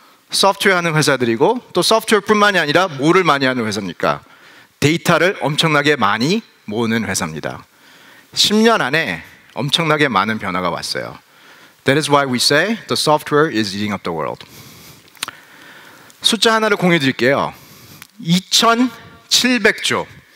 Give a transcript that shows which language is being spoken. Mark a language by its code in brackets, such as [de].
[ko] 소프트웨어 하는 회사들이고 또 소프트웨어뿐만이 아니라 뭐를 많이 하는 회사입니까? 데이터를 엄청나게 많이 모으는 회사입니다. 10년 안에 엄청나게 많은 변화가 왔어요. [en] That is why we say the software is eating up the world. [ko] 숫자 하나를 공유해 드릴게요. 2700조.